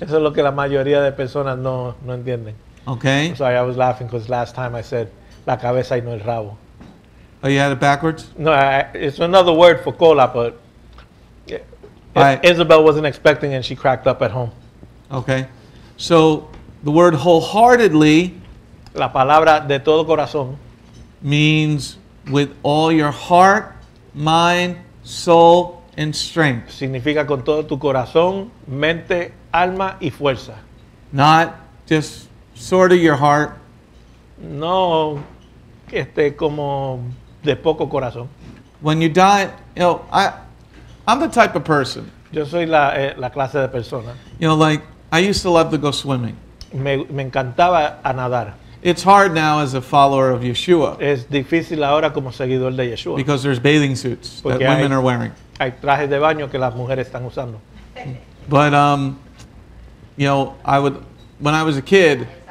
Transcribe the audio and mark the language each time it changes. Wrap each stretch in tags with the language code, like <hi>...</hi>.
<es>Eso es lo que la mayoría de personas no entienden.</es> <en>Okay. I'm sorry, I was laughing because last time I said</en> <es>la cabeza y no el rabo.</es> <en>Oh, you had it backwards? No, it's another word for cola, but Isabel wasn't expecting it and she cracked up at home. Okay. So the word wholeheartedly.</en> <es>La palabra de todo corazón.</es> <en>Means with all your heart, mind, soul and strength.</en> <es>Significa con todo tu corazón, mente, alma y fuerza.</es> <en>Not just sort of your heart.</en> <es>No, como de poco corazón.</es> <en>When you die, you know, I'm the type of person.</en> <es>Yo soy la clase de persona.</es> <en>You know, like, I used to love to go swimming.</en> <es>Me encantaba a nadar.</es> <en>It's hard now as a follower of Yeshua.</en> <es>Es difícil ahora como seguidor de Yeshua.</es> <en>Because there's bathing suits</en> <es>Porque</es> <en>that women are wearing.</en> <es>Hay trajes de baño que las mujeres están usando.</es> <en>But you know, I would when I was a kid,</en>